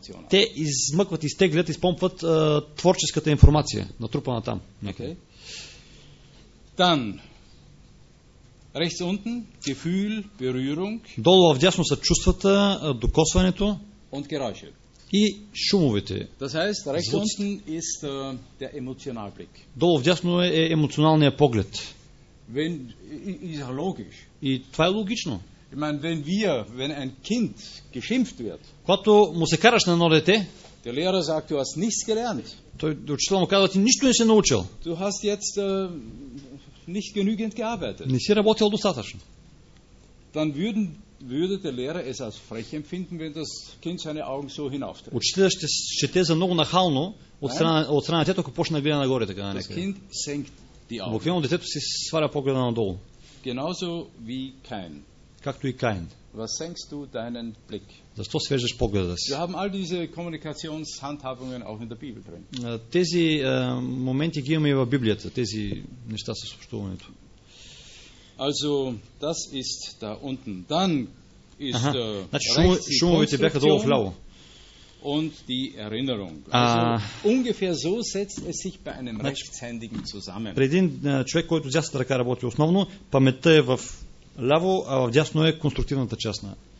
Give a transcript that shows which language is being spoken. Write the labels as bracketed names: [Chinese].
[Bulgarian] Те измъкват, изтеглят, изпомпват творческата информация натрупана там. [German] Там, rechts unten Gefühl, Berührung. [Bulgarian] Долу в дясно са чувствата, докосването [German] und Geräusche. [Bulgarian] И шумовете. [German] Das heißt, rechts unten ist der Emotionalblick. [Bulgarian] Долу в дясно е емоционалният поглед. [German] Wenn ist logisch. [Bulgarian] И това е логично. [German] Ich meine, wenn ein Kind geschimpft wird. [Bulgarian] Когато му се караш на едно дете, [German] der Lehrer sagt, du hast nichts gelernt. [Bulgarian] Той учител му казва, ти нищо не си научил. [German] Du hast jetzt nicht genügend gearbeitet. [Bulgarian] Не си работил достатъчно. [German] Dann würde der Lehrer es als frech empfinden, wenn das Kind seine Augen so hinaufträgt. [Bulgarian] Учителят ще счете за много нахално от страна на детето, ако почне да гледа нагоре така на [German] някъде. Das Kind senkt die [Bulgarian] Augen. Детето си сваля погледа надолу. [German] Genauso wie Kain. [Bulgarian] Както и Каин. [German] Was senkst du deinen Blick? [Bulgarian] Защо свеждаш погледа си? [German] Wir haben all diese Kommunikationshandhabungen auch in der Bibel drin. [Bulgarian] Тези моменти ги имаме и в Библията, тези неща със общуването. [German] Also, das ist da unten. Dann ist [Bulgarian] значи, шумовете бяха долу в ляво. [German] Und die Erinnerung. Also, ungefähr so setzt es sich bei einem rechtshändigen zusammen. [Bulgarian] При един човек, който с дясната ръка работи основно, паметта е в ляво, а в дясно е конструктивната част на.